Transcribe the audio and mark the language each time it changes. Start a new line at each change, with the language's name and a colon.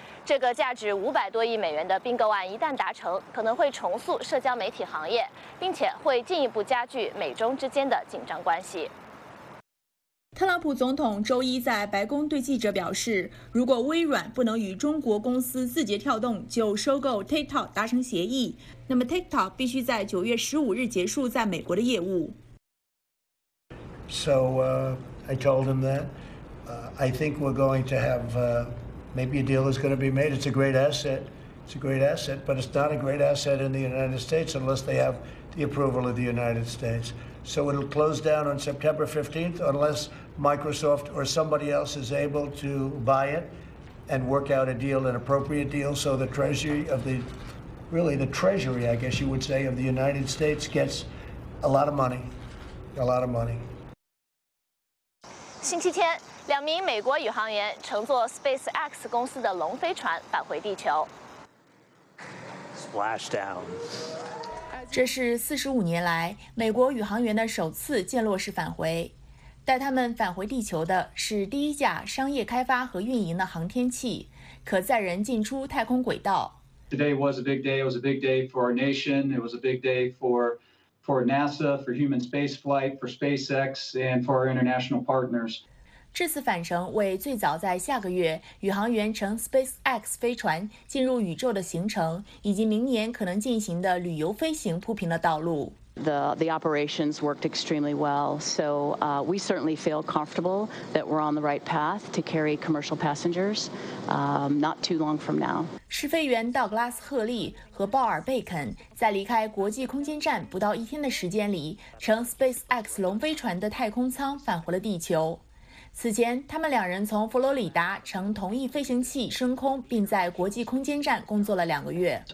Chinese: 这个价值500多亿美元的并购案一旦达成，可能会重塑社交媒体行业，并且会进一步加剧美中之间的紧张关系。特朗普总统周一在白宫对记者表示，如果微软不能与中国公司字节跳动就收购 TikTok 达成协议，那么 TikTok 必须在9月15日结束在美国的业务。
English: So, I told him that, I think we're going to have, maybe a deal is going to be made. It's a great asset. It's a great asset, but it's not a great asset in the United States unless they have the approval of the United States. So it'll close down on September 15th unless Microsoft or somebody else is able to buy it and work out a deal, an appropriate deal, so the treasury of the, really the treasury, I guess you would say, of the United States gets a lot of money, a lot of money.
Chinese: 星期天，两名美国宇航员乘坐 SpaceX 公司的龙飞船返回地球。
English: Splashdown。
Chinese: 这是45年来美国宇航员的首次降落式返回。带他们返回地球的是第一架商业开发和运营的航天器，可载人进出太空轨道。
English: Today was a big day. It was a big day for our nation. It was a big day for NASA, for human spaceflight, for SpaceX, and for our international partners.
Chinese: 这次返程为最早在下个月宇航员乘 SpaceX 飞船进入宇宙的行程，以及明年可能进行的旅游飞行铺平了道路。
English: The operations worked extremely well, so we certainly feel comfortable that we're on the right path to carry commercial passengers not too long from now.
Chinese: 试飞员道格拉斯·赫利和鲍尔·贝肯在离开国际空间站不到一天的时间里，乘 SpaceX 龙飞船的太空舱返回了地球。此前，他们两人从佛罗里达乘同一飞行器升空，并在国际空间站工作了两个月。